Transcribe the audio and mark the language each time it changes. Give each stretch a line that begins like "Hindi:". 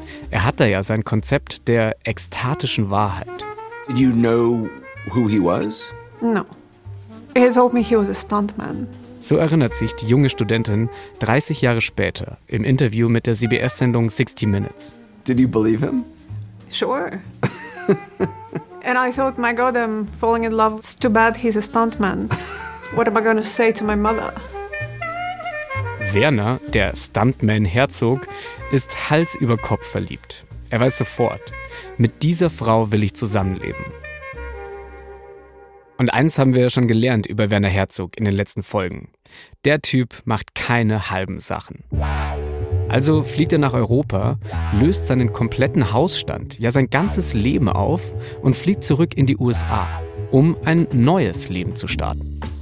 German: Er hat da ja sein Konzept der ekstatischen Wahrheit.
English: Did you know who he was? No. He told me he was a stuntman.
German: So erinnert sich die junge Studentin 30 Jahre später im Interview mit der CBS-Sendung 60 Minutes.
English: Did you believe him? Sure. And I thought, my God, I'm falling in love. It's too bad he's a stuntman. What am I going to say to my mother?
German: Werner, der Stuntman Herzog, ist Hals über Kopf verliebt. Er weiß sofort, mit dieser Frau will ich zusammenleben. Und eins haben wir ja schon gelernt über Werner Herzog in den letzten Folgen. Der Typ macht keine halben Sachen. Also fliegt er nach Europa, löst seinen kompletten Hausstand, ja sein ganzes Leben auf und fliegt zurück in die USA, um ein neues Leben zu starten.